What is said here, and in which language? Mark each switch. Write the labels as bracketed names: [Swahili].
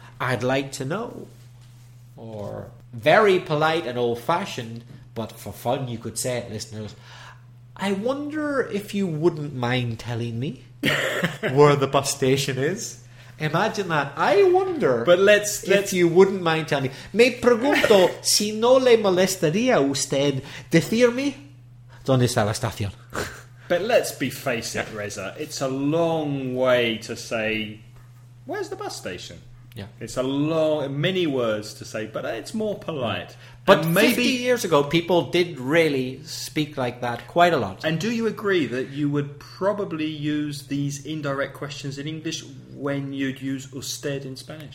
[English] I'd like to know. Or very polite and old-fashioned, but for fun you could say it, listeners, I wonder if you wouldn't mind telling me where the bus station is. Imagine that. I wonder. But let's if you wouldn't mind telling me. [Spanish] Me pregunto si no le molestaría usted decirme dónde está la estación. [English] But let's be face it, Reza. It's a long way to say, where's the bus station? Yeah. It's a long, many words to say, but it's more polite. But maybe 50 years ago, people did really speak like that quite a lot. And do you agree that you would probably use these indirect questions in English when you'd use usted in Spanish?